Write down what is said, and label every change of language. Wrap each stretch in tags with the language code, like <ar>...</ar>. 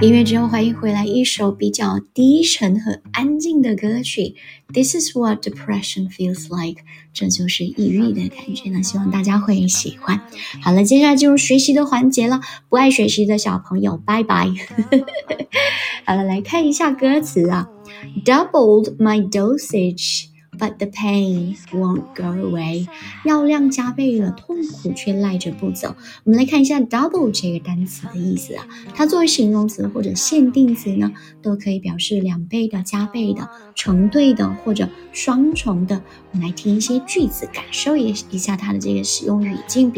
<zh>音乐之后欢迎回来，一首比较低沉和安静的歌曲。</zh> <en>This is what depression feels like.</en> <zh>这就是抑郁的感觉呢，希望大家会喜欢。好了，接下来进入学习的环节了，不爱学习的小朋友拜拜。好了，来看一下歌词啊。</zh> <en>Doubled my dosage, but the pain won't go away.</en> <zh>药量加倍了，痛苦却赖着不走。我们来看一下 double 这个单词的意思啊。它作为形容词或者限定词呢，都可以表示两倍的、加倍的、成对的或者双重的。我们来听一些句子，感受一下它的这个使用语境。</zh>